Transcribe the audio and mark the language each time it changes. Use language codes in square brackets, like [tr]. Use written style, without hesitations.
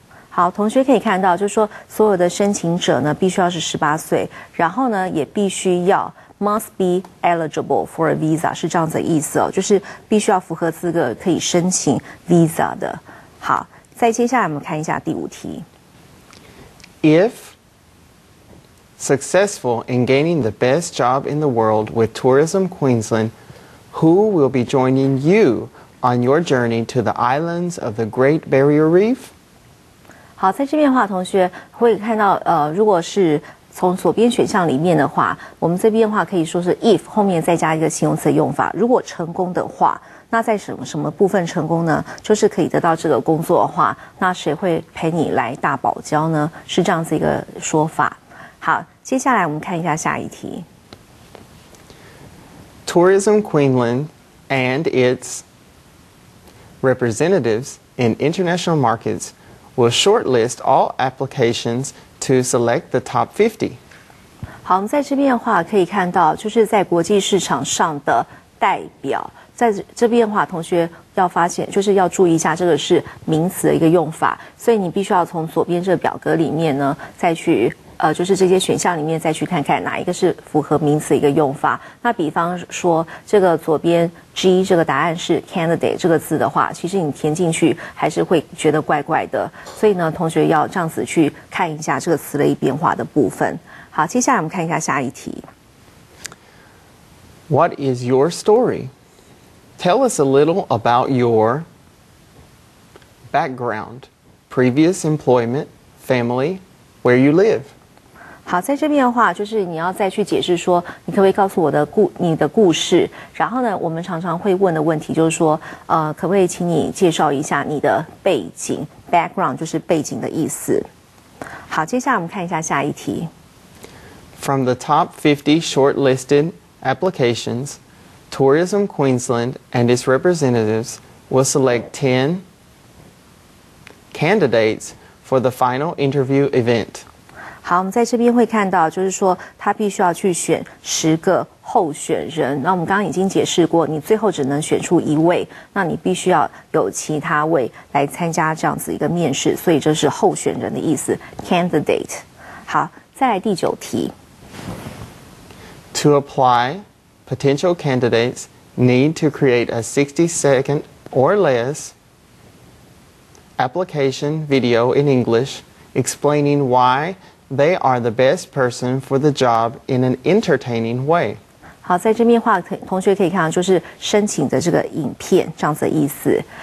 [zh] 好，同学可以看到，就是说所有的申请者呢必须要是18岁，然后呢也必须要 [en] must be eligible for a visa， [zh] 是这样子的意思哦，就是必须要符合资格可以申请 visa 的。好，再接下来我们看一下第五题。 [en] If successful in gaining the best job in the world with Tourism Queensland, who will be joining you on your journey to the islands of the Great Barrier Reef？ [zh] 好，在这边的话，同学会看到，如果是从左边选项里面的话，我们这边的话可以说是 if 后面再加一个形容词的用法。如果成功的话，那在什么部分成功呢？就是可以得到这个工作的话，那谁会陪你来大堡礁呢？是这样子一个说法。好，接下来我们看一下下一题。 [en] Tourism Queensland and its representatives in international markets will shortlist all applications to select the top 50. [zh] 好，我们在这边的话可以看到，就是在国际市场上的代表。在这边的话，同学要发现，就是要注意一下，这个是名词的一个用法，所以你必须要从左边这个表格里面呢，再去就是这些选项里面再去看看哪一个是符合名词的一个用法。那比方说，这个左边 G 这个答案是 candidate 这个字的话，其实你填进去还是会觉得怪怪的，所以呢，同学要这样子去看一下这个词类变化的部分。好，接下来我们看一下下一题。 [en] What is your story? Tell us a little about your background, previous employment, family, where you live. [zh] 好，在这边的话，就是你要再去解释说，你可不可以告诉我的你的故事？然后呢，我们常常会问的问题就是说，可不可以请你介绍一下你的背景 ？Background 就是背景的意思。好，接下来我们看一下下一题。 [en] From the top 50 shortlisted applications. Tourism Queensland and its representatives will select 10 candidates for the final interview event. [zh] 好，我们在这边会看到，就是说他必须要去选十个候选人。那我们刚刚已经解释过，你最后只能选出一位，那你必须要有其他位来参加这样子一个面试，所以这是候选人的意思 ，candidate。好，再来第九题。 [en] To apply. Potential candidates need to create a 60-second or less application video in English explaining why they are the best person for the job in an entertaining way. [zh] 好，在这边的话，同学可以看到，就是申请的这个影片这样子的意思。